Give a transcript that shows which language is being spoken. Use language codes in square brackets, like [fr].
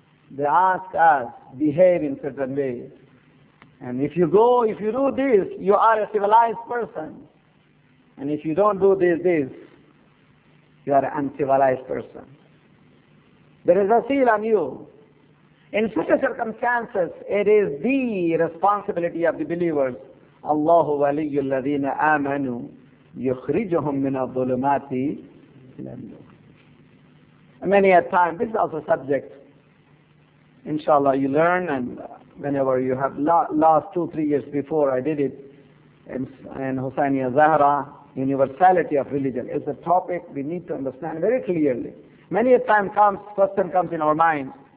[en] They ask us to behave in certain way. And if you do this, you are a civilized person. And if you don't do this, you are an uncivilized person. There is a seal on you. In such circumstances, it is the responsibility of the believers. [ar] الله ولي الذين آمنوا يخرجهم من الظلمات إلى النور. [en] Many a time, this is also a subject. Inshallah, you learn, and whenever you have last 2-3 years before, I did it in Husainia Zahra, universality of religion. It's a topic we need to understand very clearly. Many a time comes, question comes in our mind.